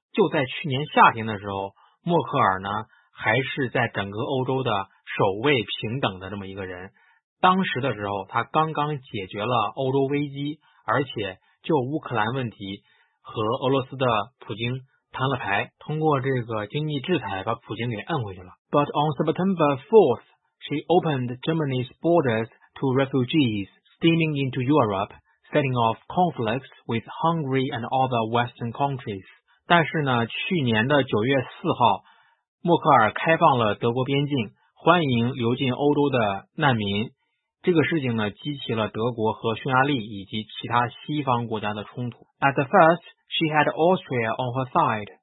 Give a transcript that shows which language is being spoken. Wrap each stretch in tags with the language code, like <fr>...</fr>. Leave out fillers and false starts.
<zh>就在去年夏天的时候，默克尔呢还是在整个欧洲的首位平等的这么一个人。当时的时候，他刚刚解决了欧洲危机，而且就乌克兰问题和俄罗斯的普京摊了牌，通过这个经济制裁把普京给摁回去了。</zh> <en>But on September 4th, she opened Germany's borders to refugees. Steaming into Europe, setting off conflicts with Hungary and other Western countries.</en> <zh>但是呢，去年的9月4号，默克尔开放了德国边境，欢迎流进欧洲的难民。这个事情呢，激起了德国和匈牙利以及其他西方国家的冲突。</zh> <en>At first, she had Austria on her side,</en>